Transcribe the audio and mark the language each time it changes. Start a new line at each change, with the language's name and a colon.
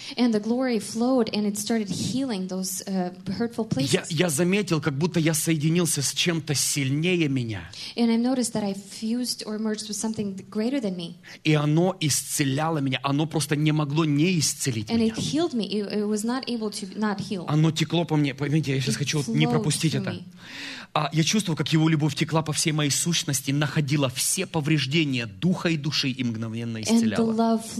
English: And the glory flowed and it started healing those hurtful places.
Russian: Я заметил, как будто я соединился с чем-то сильнее меня.
English: And I noticed that I fused or merged with something greater than me.
Russian: И оно исцеляло меня, оно просто не могло не исцелить
English: and
Russian: меня.
English: And it healed me. It was not able to not heal.
Russian: Оно текло по мне. Понимаете, я сейчас хочу не пропустить это. Я чувствовал, как Его любовь текла по всей моей сущности, находила все повреждения духа и души и мгновенно исцеляла.